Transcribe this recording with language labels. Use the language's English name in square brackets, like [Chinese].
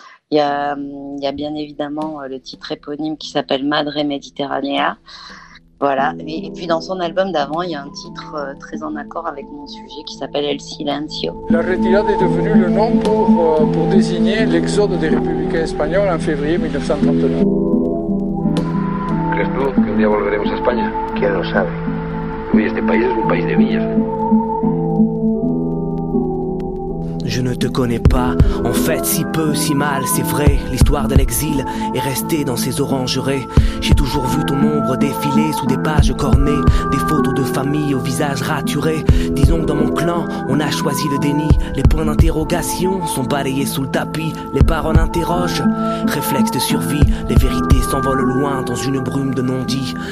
[French] Il y a bien évidemment le titre éponyme qui s'appelle Madre Mediterranea. Voilà. Et puis dans son album d'avant, il y a un titre très en accord avec mon sujet qui s'appelle El Silencio. La Retirada est devenue le nom pour désigner l'exode des républicains espagnols en février 1939. [Spanish] ¿Crees tú que un día volveremos a España? ¿Quién lo sabe? Oui, este país es un país de villas. [French] Je ne te connais pas, en fait si peu, si mal, c'est vrai, l'histoire de l'exil est restée dans ses orangerées. J'ai toujours vu ton ombre défiler sous des pages cornées, des photos de famille au visage raturé. Disons que dans mon clan, on a choisi le déni, les points d'interrogation sont balayés sous le tapis, les paroles interrogent, réflexe de survie, les vérités s'envolent loin dans une brume de non-dits.